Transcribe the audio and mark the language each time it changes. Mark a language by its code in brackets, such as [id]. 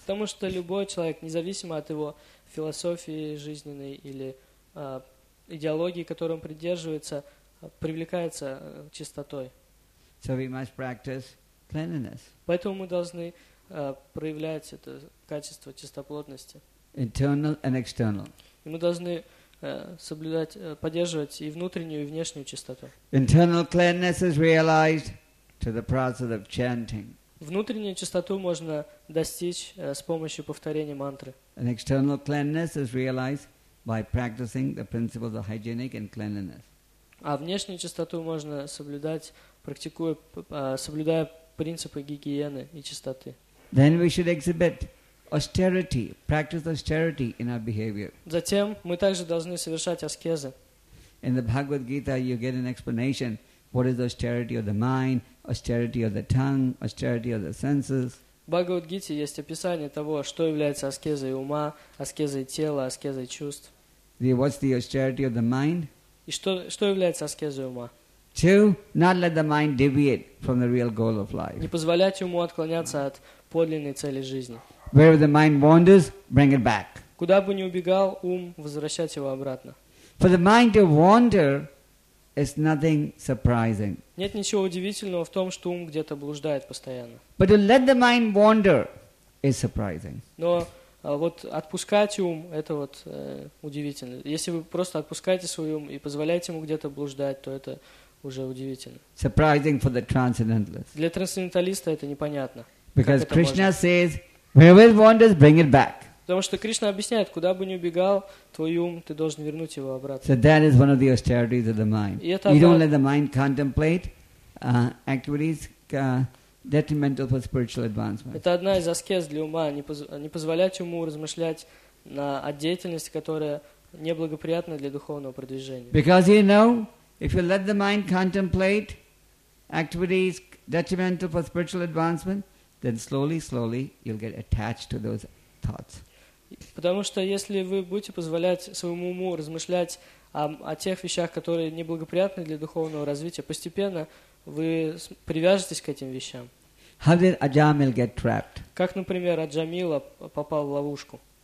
[ru] Потому что любой человек, независимо от его философии жизненной или идеологии, которой он придерживается, привлекается чистотой. [en] So we must practice cleanliness. [ru] Поэтому мы должны проявлять это качество чистоплотности. [en] Internal and external. [ru] И мы должны соблюдать, поддерживать и внутреннюю, и внешнюю чистоту. [en] Internal cleanliness is realized through the process of chanting. [ru] Внутреннюю чистоту можно достичь с помощью повторения мантры. [en] An external cleanliness is realized by practicing the principles of hygienic and cleanliness. [ru] А внешнюю чистоту можно соблюдать, практикуя, соблюдая принципы гигиены и чистоты. [en] Then we should exhibit austerity, practice austerity in our behavior. [ru] Затем мы также должны совершать аскезы. [en] In the Bhagavad Gita you get an explanation. What is austerity of the mind, austerity of the tongue, austerity of the senses? [ru] В Бхагавад-гите есть описание того, что является аскезой ума, аскезой тела, аскезой чувств. [en] What's the austerity of the mind? [ru] И что является аскезой ума? [en] To not let the mind deviate from the real goal of life. [ru] Не позволять уму отклоняться от подлинной цели жизни. [en] Wherever the mind wanders, bring it back. [ru] Куда бы ни убегал ум, возвращать его обратно. [en] For the mind to wander, it's nothing surprising. [ru] Нет ничего удивительного в том, что ум где-то блуждает постоянно. [en] But to let the mind wander is surprising. [ru] Но вот отпускать ум, это вот удивительно. Если вы просто отпускаете свой ум и позволяете ему где-то блуждать, то это уже удивительно. [en] Surprising for the transcendentalist. [ru] Для трансценденталиста это непонятно. [en] Because Krishna says, wherever it wanders, bring it back. [ru] Потому что Кришна объясняет, куда бы ни убегал твой ум, ты должен вернуть его обратно. [en] So that is one of the austerities of the mind. You don't let the mind contemplate activities detrimental for spiritual advancement. [ru] Это одна из аскез для ума, не позволять уму размышлять о деятельности, которая неблагоприятна для духовного продвижения. [en] Because you know, if you let the mind contemplate activities detrimental for spiritual advancement, then slowly, slowly you'll get attached to those thoughts. [ru] Потому что если вы будете позволять своему уму размышлять о тех вещах, которые неблагоприятны для духовного развития, постепенно вы привяжетесь к этим вещам. [en] How did Ajamil get trapped? [ru] Как, например, Аджамила попал в ловушку?